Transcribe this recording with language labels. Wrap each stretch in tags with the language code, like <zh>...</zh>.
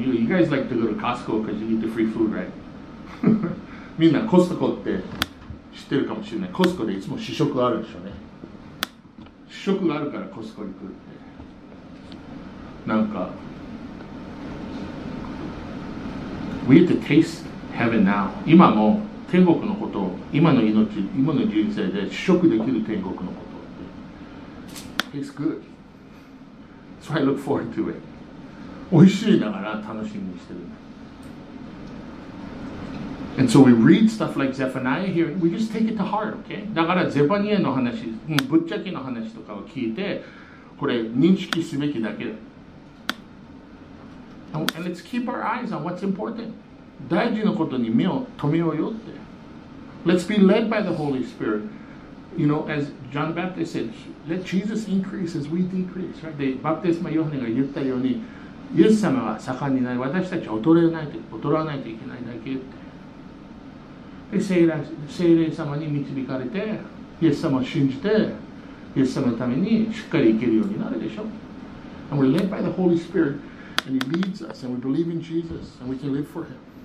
<en>You guys like to go to Costco because you get the free food, right?</en> <ja>みんなコストコって知ってるかもしれない。コストコでいつも試食あるでしょうね。試食があるからコストコ行くって。なんか、</ja> <en>We get to taste heaven now.</en> <ja>今も天国のことを、今の命、今の人生で試食できる天国のこと。</ja> <en>It's good. So I look forward to it.</en> <ja>美味しいながら楽しみにしてる。</ja> <en>And so we read stuff like Zephaniah here, we just take it to heart, okay?</en> <ja>だからゼファニアの話、ぶっちゃけの話とかを聞いて、これ認識すべきだけ。</ja> <en>And let's keep our eyes on what's important.</en> <ja>大事なことに目を止めようよって。</ja> <en>Let's be led by the Holy Spirit. You know, as John Baptist said, let Jesus increase as we decrease. Right?</en> <ja>で、バプテスマ・ヨハネが言ったように、イエス様は盛んになり、私たちは劣らないといけないだけって。で、聖霊様に導かれて、イエス様を信じて、イエス様のためにしっかり生きるようになるでしょ。</ja> <en>And we're led by the Holy Spirit, and He leads us, and we believe in Jesus, and we can live for Him.</en>